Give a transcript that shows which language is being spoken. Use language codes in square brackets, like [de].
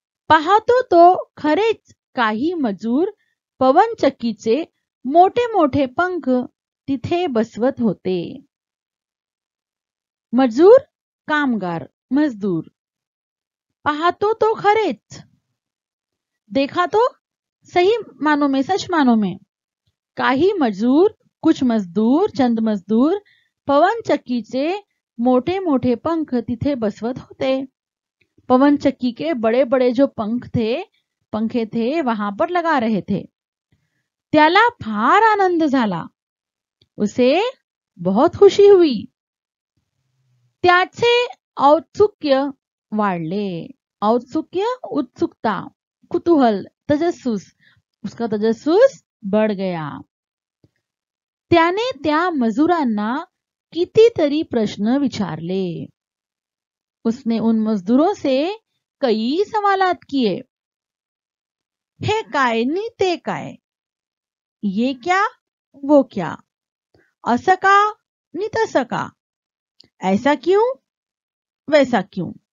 [mr] पाहतो तो खरेच काही मजूर पवन चक्कीचे मोठे मोठे पंख तिथे बसवत होते। मजूर कामगार मजदूर। पाहतो तो खरेच, [hi] देखा तो सही मानो में सच मानो में, [mr] काही मजूर [hi] कुछ मजदूर चंद मजदूर पवन चक्की से मोटे मोटे पंख [mr] तिथे बसवत होते। [hi] पवन चक्की के बड़े बड़े जो पंखे थे वहां पर लगा रहे थे। [mr] त्याला फार आनंद झाला, [hi] उसे बहुत खुशी हुई। [mr] त्याचे औत्सुक्य वाढले, औत्सुक्य उत्सुकता कुतूहल तजस्सुस, [hi] उसका तजस्सुस बढ़ गया। [mr] त्याने त्या मजुरांना किती तरी प्रश्न विचारले। [hi] उसने उन मजदूरों से कई सवालात किए। [mr] हे काय नी ते काय, [hi] ये क्या वो क्या, [mr] असा का नी तसा का, [hi] ऐसा क्यों वैसा क्यों।